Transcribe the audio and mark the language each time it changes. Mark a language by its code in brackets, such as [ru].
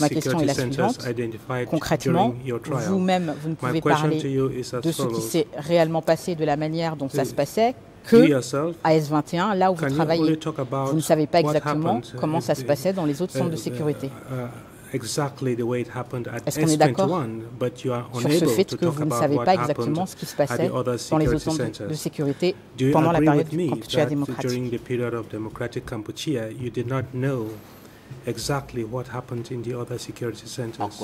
[fr] ma question est la suivante. Concrètement, vous-même, vous ne pouvez parler de ce qui s'est réellement passé, de la manière dont ça se passait, que à S21, là où vous travaillez. Vous ne savez pas exactement comment ça se passait dans les autres centres de sécurité. [en] Exactly the way it happened at S21, but you are unable to talk about what happened at the other security centers. [fr] De sécurité pendant la période du Kampuchea démocratique. [en] During the period of democratic Kampuchea, you did not know exactly what happened in the other security centers.